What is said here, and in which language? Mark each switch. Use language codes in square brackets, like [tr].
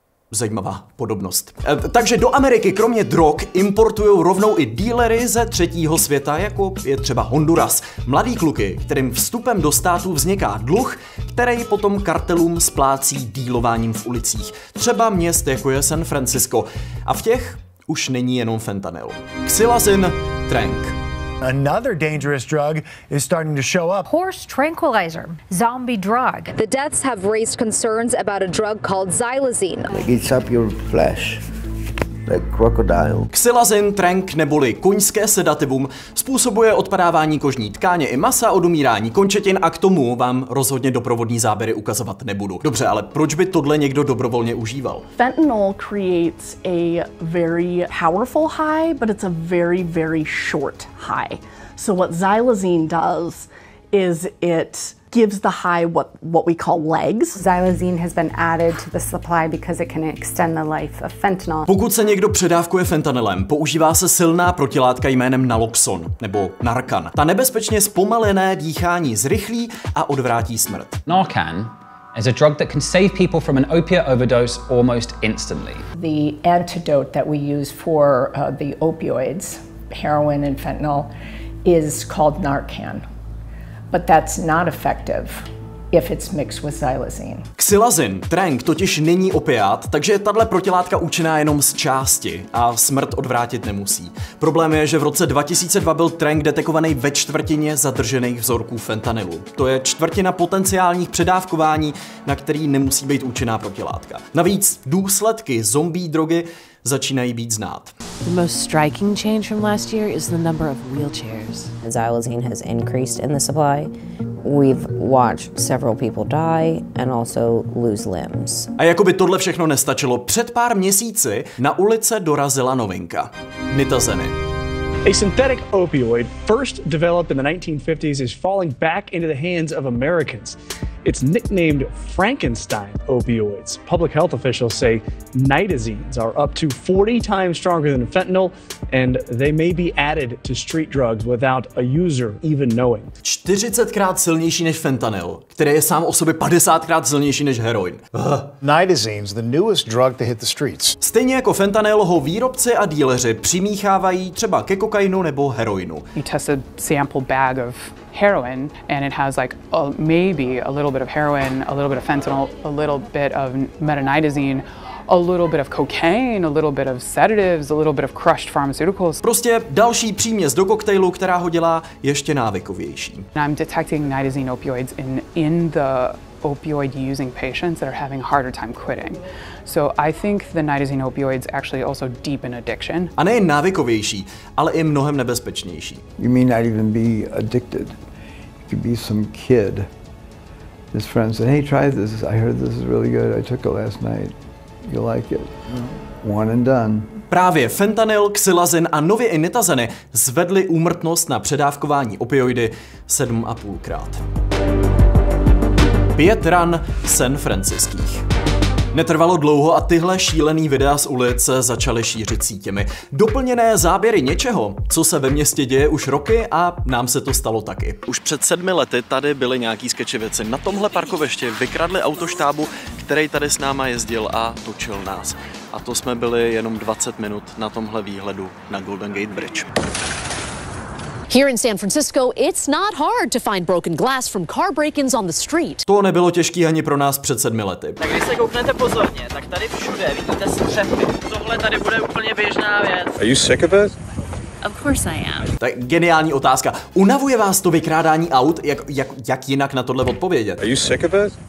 [cs] Zajímavá podobnost. Takže do Ameriky kromě drog importují rovnou i dealery ze třetího světa, jako je třeba Honduras. Mladý kluky, kterým vstupem do státu vzniká dluh, který potom kartelům splácí dealováním v ulicích. Třeba měst, jako je San Francisco. A v těch už není jenom fentanyl. Xylazin, Trenk. [en] Another dangerous drug is starting to show up. Horse tranquilizer, zombie drug. The deaths have raised concerns about a drug called xylazine. It eats up your flesh. Like crocodile. [cs] Xylazin, Trenk neboli koňské sedativum způsobuje odpadávání kožní tkáně i masa, odumírání končetin a k tomu vám rozhodně doprovodní záběry ukazovat nebudu. Dobře, ale proč by tohle někdo dobrovolně užíval? [en] Fentanyl creates a very powerful high, but it's a very, very short high. So what xylazine does is it gives the high what we call legs. Xylazine has been added to the supply because it can extend the life of fentanyl. [cs] Pokud se někdo předávkuje fentanylem, používá se silná protilátka jménem Naloxon nebo Narcan. Ta nebezpečně zpomalené dýchání zrychlí a odvrátí smrt. [en] Narcan is a drug that can save people from an opiate overdose almost instantly. The antidote that we use for the opioids, heroin and fentanyl, is called Narcan. But that's not effective if it's mixed with xylazine. [cs] Xylazin, trenk, totiž není opiát, takže tato protilátka účinná jenom z části a smrt odvrátit nemusí. Problém je, že v roce 2002 byl trenk detekovaný ve čtvrtině zadržených vzorků fentanylu. To je čtvrtina potenciálních předávkování, na který nemusí být účinná protilátka. Navíc důsledky zombie drogy začínají být znát. [en] The most striking change from last year is the number of wheelchairs. Xylazine has increased in the supply. We've watched several people die and also lose limbs. [cs] A jako by tohle všechno nestačilo, před pár měsíci na ulice dorazila novinka. Nitazeny. [en] A synthetic opioid, first developed in the 1950s, is falling back into the hands of Americans. It's nicknamed Frankenstein opioids. Public health officials say nitazenes are up to 40 times stronger than fentanyl, and they may be added to street drugs without a user even knowing. [cs] 40krát silnější než fentanyl, který je sám o sobě 50krát silnější než heroin. [en] Nitazenes, the newest drug to hit the streets. [cs] Stejně jako fentanyl ho výrobci a díleři přimíchávají třeba ke kokainu nebo heroinu. [en] You test a sample bag of heroin and it has like maybe a little bit of heroin, a little bit of fentanyl, a little bit of metanidazine, a little bit of cocaine, a little bit of sedatives, a little bit of crushed pharmaceuticals. [cs] Prostě další příměs do koktejlu, která ho dělá ještě návykovější. [en] And I'm detecting nitazene opioids in the opioid using patients that are having a harder time quitting. So I think the nitazene opioids actually also deepen addiction. [cs] A nejen návykovější, ale i mnohem nebezpečnější. [en] You may not even be addicted. It could be some kid. His friend said, hey, try this. I heard this is really good. I took it last night. You like it. One and done. [cs] Právě fentanyl, xylazin a nově i nitazeny zvedly úmrtnost na předávkování opioidy 7,5krát. Pět ran San Franciských. Netrvalo dlouho a tyhle šílený videa z ulice začaly šířit sítěmi. Doplněné záběry něčeho, co se ve městě děje už roky a nám se to stalo taky. Už před 7 lety tady byly nějaký skečevěci. Na tomhle parkovišti vykradli autoštábu, který tady s náma jezdil a točil nás. A to jsme byli jenom 20 minut na tomhle výhledu na Golden Gate Bridge. Here in San Francisco, it's not hard to find broken glass from car break-ins on the street. To nebylo těžký ani pro nás před 7 lety. Tak když se kouknete pozorně, tak tady všude vidíte střepy. Tohle tady bude úplně běžná věc. [en] Are you sick of it? Of course I am. [cs] Tak geniální otázka. Unavuje vás to vykrádání aut? Jak jinak na tohle odpovědět? [en] Are you sick of it?